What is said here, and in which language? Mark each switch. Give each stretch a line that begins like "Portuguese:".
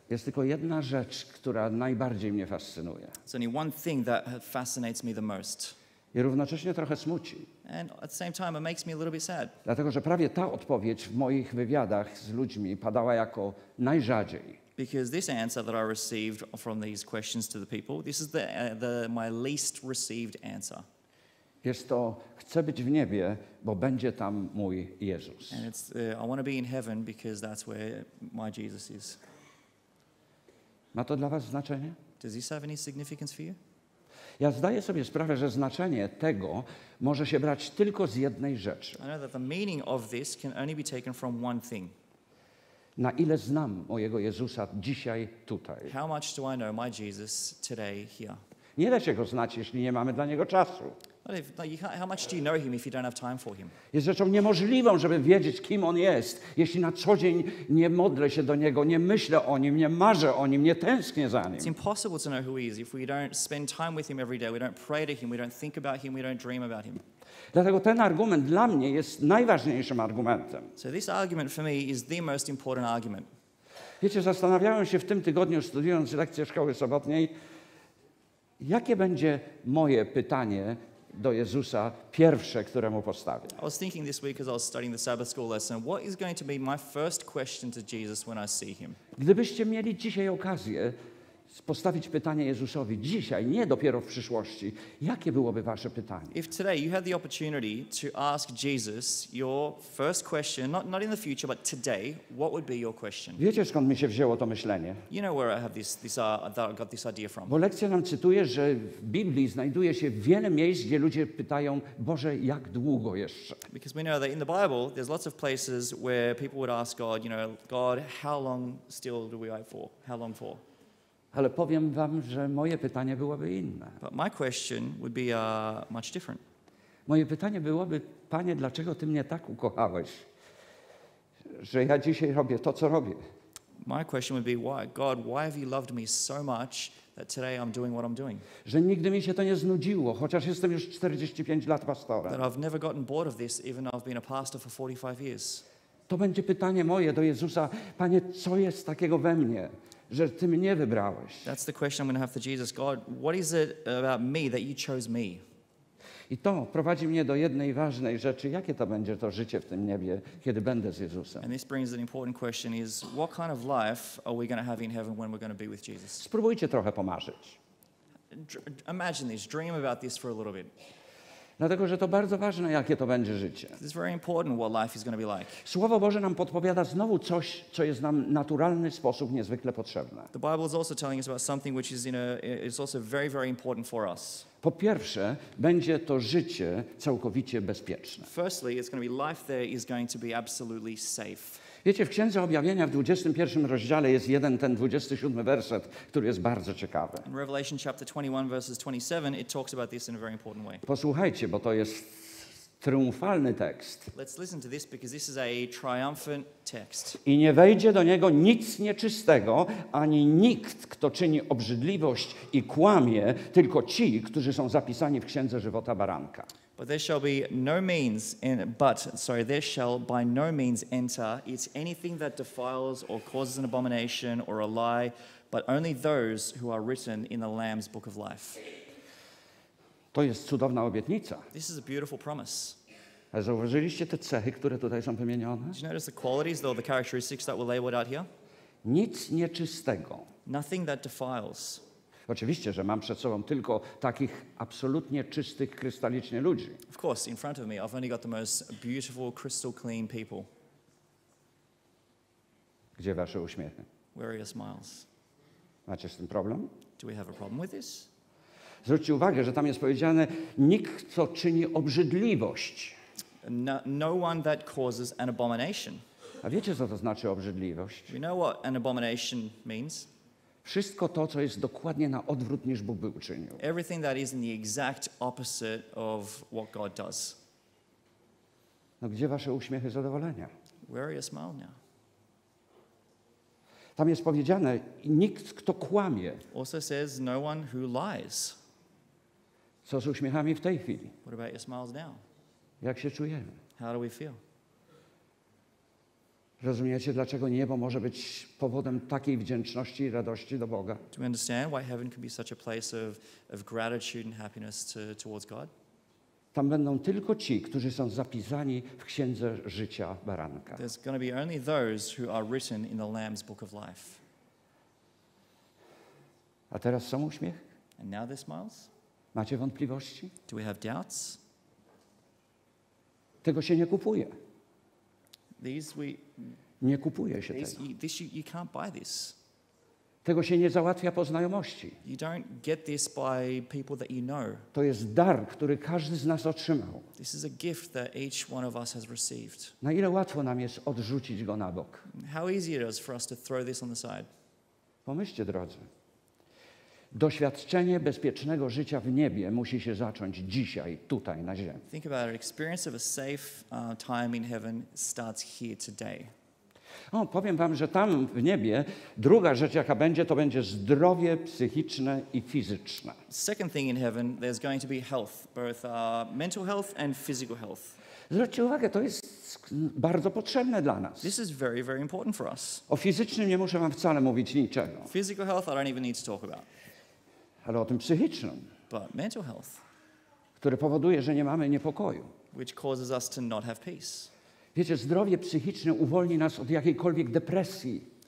Polish: Jest tylko jedna rzecz, która najbardziej mnie fascynuje.
English: It's only one thing that fascinates me the most.
Polish: I równocześnie trochę smuci.
English: And at the same time it makes me a little bit sad.
Polish: Dlatego, że prawie ta odpowiedź w moich wywiadach z ludźmi padała jako najrzadziej.
English: Because this answer that I received from these questions to the people, this is the my least received answer.
Polish: Jest to, chcę być w niebie, bo będzie tam mój Jezus.
English: And it's, I want to be in heaven because that's where my Jesus is.
Polish: Ma to dla was znaczenie?
English: Does this have any significance for you?
Polish: Ja zdaję sobie sprawę, że znaczenie tego może się brać tylko z jednej rzeczy.
English: I know that the meaning of this can only be taken from one thing.
Polish: Na ile znam mojego Jezusa dzisiaj tutaj?
English: How much do I know my Jesus today here?
Polish: Nie da się go znać, jeśli nie mamy dla niego czasu.
English: How much do you know him if you don't have time for him?
Polish: Jest rzeczą niemożliwą, żeby wiedzieć, kim on jest, jeśli na co dzień nie modlę się do niego, nie myślę o nim, nie marzę o nim, nie tęsknię za nim.
English: It's impossible to know who he is if we don't spend time with him every day, we don't pray to him, we don't think about him, we don't dream about him.
Polish: Dlatego ten argument dla mnie jest najważniejszym argumentem.
English: So this argument for me is the most important argument.
Polish: Wiecie, zastanawiałem się w tym tygodniu, studiując lekcję szkoły sobotniej, jakie będzie moje pytanie do Jezusa, pierwsze, które mu postawię.
English: I was thinking this week as I was studying the Sabbath school lesson, what is going to be my first question to Jesus when I see him?
Polish: Gdybyście mieli dzisiaj okazję postawić pytanie Jezusowi, dzisiaj, nie dopiero w przyszłości, jakie byłoby wasze pytanie?
English: If today you had the opportunity to ask Jesus your first question, not in the future, but today, what would be your question?
Polish: Wiecie, skąd mi się wzięło to myślenie?
English: You know where I have that I got this idea from.
Polish: Bo lekcja nam cytuje, że w Biblii znajduje się wiele miejsc, gdzie ludzie pytają, Boże, jak długo jeszcze?
English: Because we know that in the Bible, there's lots of places where people would ask God, you know, God, how long still do we wait for? How long for?
Polish: Ale powiem wam, że moje pytanie byłoby inne.
English: But my question would be much different.
Polish: Moje pytanie byłoby, Panie, dlaczego Ty mnie tak ukochałeś, że ja dzisiaj robię to, co robię?
English: My question would be, why? God, why have you loved me so much that today I'm doing what I'm doing?
Polish: Że nigdy mi się to nie znudziło, chociaż jestem już 45 lat pastora.
English: That I've never gotten bored of this, even though I've been a pastor for 45 years.
Polish: To będzie pytanie moje do Jezusa, Panie, co jest takiego we mnie, że Ty mnie wybrałeś.
English: That's the question I'm going to have for Jesus. God, what is it about me that you chose me?
Polish: I to prowadzi mnie do jednej ważnej rzeczy. Jakie to będzie to życie w tym niebie, kiedy będę z Jezusem?
English: And this brings an important question is, what kind of life are we going to have in heaven when we're going to be with Jesus?
Polish: Spróbujcie trochę pomarzyć.
English: Imagine this, dream about this for a little bit.
Polish: Dlatego, że to bardzo ważne, jakie to będzie życie.
English: It's very important what life is going to be like.
Polish: Słowo Boże nam podpowiada znowu coś, co jest nam naturalny sposób niezwykle potrzebne.
English: The Bible is also telling us about something which is is also very, very important for us.
Polish: Po pierwsze, będzie to życie całkowicie bezpieczne.
English: Firstly, it's going to be life there is going to be absolutely safe.
Polish: Wiecie, w Księdze Objawienia w 21 rozdziale jest jeden ten 27 werset, który jest bardzo ciekawy.
English: In Revelation chapter 21 verses 27 it talks about this in a very important way.
Polish: Posłuchajcie, bo to jest triumfalny tekst.
English: Let's listen to this because this is a triumphant text.
Polish: I nie wejdzie do niego nic nieczystego, ani nikt, kto czyni obrzydliwość i kłamie, tylko ci, którzy są zapisani w Księdze Żywota Baranka.
English: But there shall be no means, there shall by no means enter it anything that defiles or causes an abomination or a lie, but only those who are written in the Lamb's Book of Life.
Polish: To jest cudowna obietnica.
English: This is a beautiful promise.
Polish: A zauważyliście te cechy, które tutaj są wymienione?
English: Did you notice the qualities or the characteristics that were labeled out here?
Polish: Nic nieczystego.
English: Nothing that defiles.
Polish: Oczywiście, że mam przed sobą tylko takich absolutnie czystych, krystalicznie ludzi.
English: Of course, in front of me, I've only got the most beautiful, crystal clean people.
Polish: Gdzie wasze uśmiechy?
English: Where are your smiles?
Polish: Macie z tym problem?
English: Do we have a problem with this?
Polish: Zwróćcie uwagę, że tam jest powiedziane, nikt, kto czyni obrzydliwość.
English: No one that causes an abomination.
Polish: A wiecie, co to znaczy obrzydliwość?
English: We know what an abomination means.
Polish: Wszystko to, co jest dokładnie na odwrót, niż Bóg by uczynił.
English: Everything that is in the exact opposite of what God does.
Polish: No gdzie wasze uśmiechy zadowolenia?
English: Where are your smile now?
Polish: Tam jest powiedziane, nikt, kto kłamie.
English: Also says, no one who lies.
Polish: Co z uśmiechami w tej chwili?
English: What about your smiles now?
Polish: Jak się czujemy?
English: How do we feel?
Polish: Rozumiecie, dlaczego niebo może być powodem takiej wdzięczności i radości do Boga?
English: Do you understand why heaven can be such a place of gratitude and happiness towards God?
Polish: Tam będą tylko ci, którzy są zapisani w Księdze Życia Baranka.
English: There's going to be only those who are written in the Lamb's Book of Life.
Polish: A teraz są uśmiech?
English: And now there's smiles?
Polish: Macie wątpliwości?
English: Do we have doubts?
Polish: Tego się nie kupuje. Nie kupuje się
English: these,
Polish: tego.
English: You can't buy this.
Polish: Tego się nie załatwia po znajomości.
English: You don't get this by people that you know.
Polish: To jest dar, który każdy z nas otrzymał.
English: This is a gift that each one of us has received.
Polish: Na ile łatwo nam jest odrzucić go na bok?
English: How easy it is for us to throw this on the side?
Polish: Pomyślcie, drodzy. Doświadczenie bezpiecznego życia w niebie musi się zacząć dzisiaj, tutaj na ziemi.
English: Think about it. Experience of a safe time in heaven starts here today.
Polish: No, powiem wam, że tam w niebie druga rzecz, jaka będzie, to będzie zdrowie psychiczne i fizyczne.
English: Second thing in heaven, there's going to be health, both mental health and physical health.
Polish: Zwróćcie uwagę, to jest bardzo potrzebne dla nas.
English: This is very, very important for us.
Polish: O fizycznym nie muszę wam wcale mówić niczego.
English: Physical health, I don't even need to talk about.
Polish: Ale o tym psychicznym.
English: But mental health.
Polish: Które powoduje, że nie mamy niepokoju.
English: Which causes us to not have peace.
Polish: Wiecie, zdrowie psychiczne uwolni nas od jakiejkolwiek depresji.